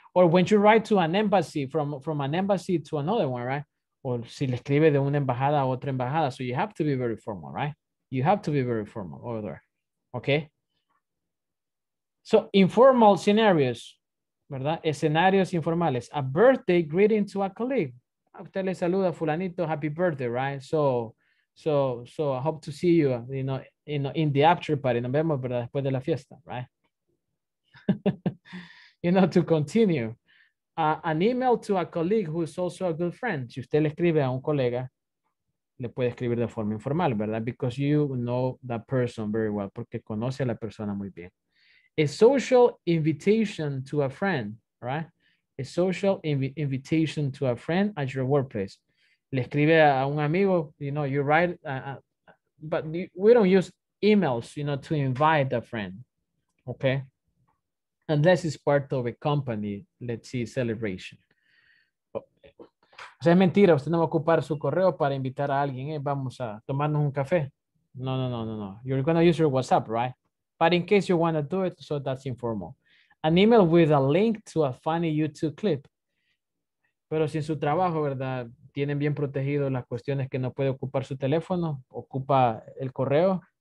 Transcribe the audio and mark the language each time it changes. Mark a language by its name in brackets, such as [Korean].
[English] Or when you write to an embassy, from an embassy to another one, right? [Spanish] O si le escribe de una embajada a otra embajada. [English] So you have to be very formal, right? You have to be very formal over there. Okay? So informal scenarios, ¿verdad? [Spanish] Escenarios informales. A birthday greeting to a colleague. A usted le saluda fulanito, happy birthday, right? [English] So I hope to see you, you know, in the after party. [Spanish] Nos vemos, ¿verdad? Después de la fiesta, right? [English] You know, to continue. An email to a colleague who is also a good friend. [Spanish] Si usted le escribe a un colega, le puede escribir de forma informal, ¿verdad? [English] Because you know that person very well, porque conoce a la persona muy bien. A social invitation to a friend, right? A social invitation to a friend at your workplace. Le escribe a un amigo, you know, you write, but we don't use emails, you know, to invite a friend, okay? Unless it's part of a company, let's see, celebration. [Spanish] O sea, es mentira, usted no va a ocupar su correo para invitar a alguien, ¿eh? Vamos a tomarnos un café. No. You're going to use your WhatsApp, right? [English] But in case you want to do it, so that's informal. An email with a link to a funny YouTube clip. [Spanish] Pero si en su trabajo, ¿verdad? Tienen bien protegido las cuestiones que no puede ocupar su teléfono, ocupa el correo.